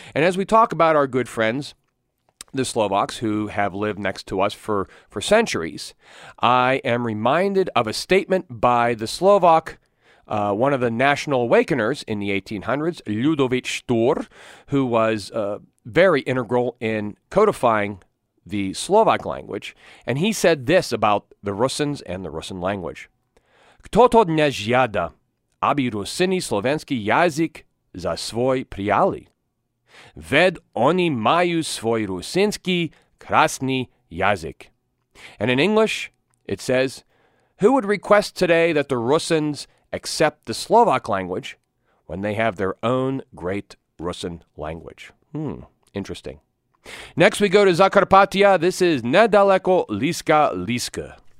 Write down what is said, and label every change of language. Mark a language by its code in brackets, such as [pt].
[en] And as we talk about our good friends, the Slovaks, who have lived next to us for centuries, I am reminded of a statement by the Slovak, one of the national awakeners in the 1800s, Ľudovít Štúr, who was very integral in codifying the Slovak language. And he said this about the Rusins and the Rusin language. [sk] Kto to dnes žiada, aby Rusini slovenský jazyk za svoj prijali? Ved oni majú svoj rusinský krásny jazyk. [en] And in English, it says, who would request today that the Rusins accept the Slovak language when they have their own great Rusin language? Interesting. Next, we go to Zakarpatia. This is Nedaleko Liska Liska.